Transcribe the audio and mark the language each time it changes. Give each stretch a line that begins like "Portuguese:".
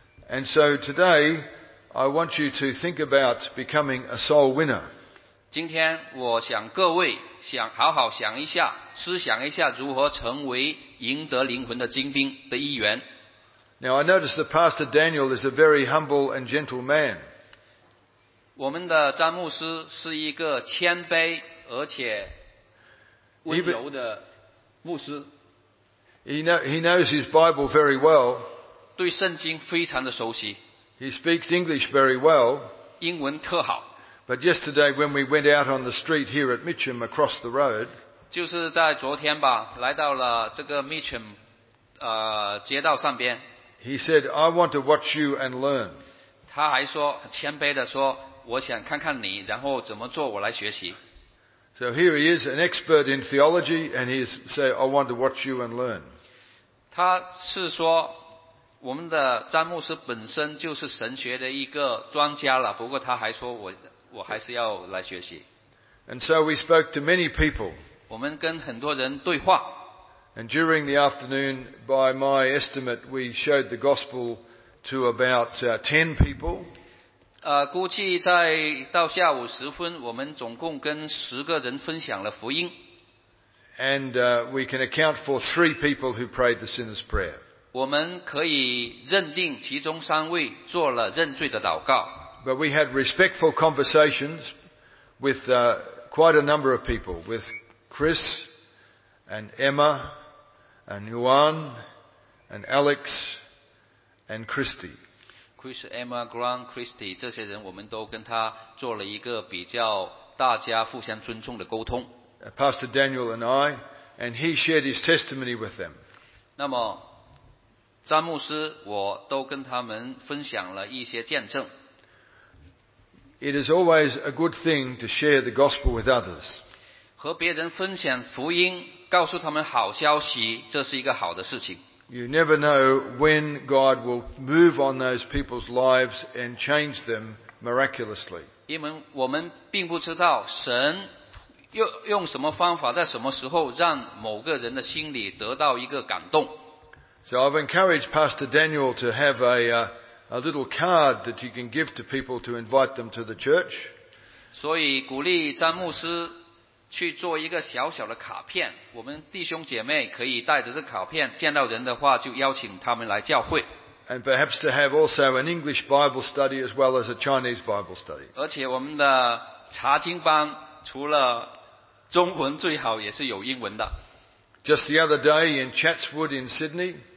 English: And so today, I want you to think about becoming a soul winner.
Chinese: 今天我想各位想好好想一下，思想一下如何成为赢得灵魂的精兵的一员。
English: Now I notice that Pastor Daniel is a very humble and gentle man.
Chinese: 我们的詹牧师是一个谦卑而且温柔的牧师。
English: He knows his Bible very well.
Chinese: 对圣经非常的熟悉。
English: He speaks English very well.
Chinese: 英文特好。
English: But yesterday when we went out on the street here at Mitcham across the road,
Chinese: 就是在昨天吧，来到了这个 Mitcham 街道上边。
English: He said, I want to watch you and learn.
Chinese: 他还说谦卑地说我想看看你然后怎么做我来学习。
English: So here he is, an expert in theology, and he said, I want to watch you and learn.
Chinese: 他是说我们的詹牧师本身就是神学的一个专家了，不过他还说我还是要来学习。
English: And so we spoke to many people.
Chinese: 我们跟很多人对话。
English: And during the afternoon, by my estimate, we showed the gospel to about 10 people.
Chinese: 估计在到下午时分，我们总共跟十个人分享了福音。
English: And we can account for 3 people who prayed the sinner's prayer.
Chinese: 我们可以认定其中三位做了认罪的祷告。
English: But we had respectful conversations with quite a number of people, with Chris,and Emma, and Yuan, and Alex, and Christy.
Chinese: Chris, Emma, Grant, Christy, 这些人我们都跟他做了一个比较大家互相尊重的沟通。
English: Pastor Daniel and I, and he shared his testimony with them.
Chinese: 那么，詹牧师，我都跟他们分享了一些见证。
English: It is always a good thing to share the gospel with others.
Chinese: 和别人分享福音告诉他们好消息，这是一个好的事情。
English: You never know when God will move on those people's lives and change them miraculously.
Chinese: 因为我们并不知道神用什么方法，在什么时候让某个人的心里得到一个感动。
English: So I've encouraged Pastor Daniel to have a little card that he can give to people to invite them to the church.
Chinese: 所以鼓励詹牧师去做一个小小的卡片，我们弟兄姐妹可以带着这卡片，见到人的话就邀请他们来教会。
English: And perhaps to have also an English Bible study as well as a Chinese Bible study.
Chinese: 而且我们的查经班除了中文最好也是有英文的。
English: Just the other day in Chatswood in Sydney.